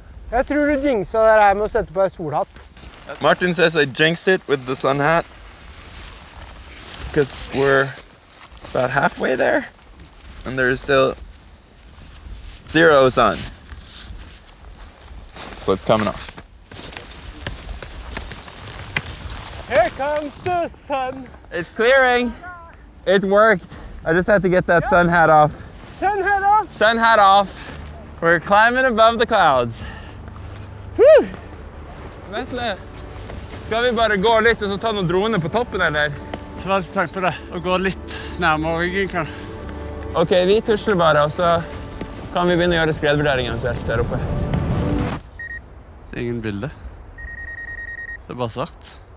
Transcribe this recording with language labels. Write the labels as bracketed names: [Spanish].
[Norwegian] Jeg tror du jinxet det her med å sette på en solhatt. [English] Martin says I jinxed it with the sun hat. Because we're about halfway there. And there is still zero sun. So it's coming off. Here comes the sun. It's clearing. It worked. I just had to get that sun hat off. Sun hat off? Sun hat off. We're climbing above the clouds. [Norwegian] Vetle, skal vi bare gå litt og så ta noen droner på toppen, eller? Det var litt tanke på det, å gå litt nærmere ryggen, kan. Ok, vi tusler bare, og så kan vi begynne å gjøre skredvurdering eventuelt der oppe. Det er ingen bilde. Det er bare svart.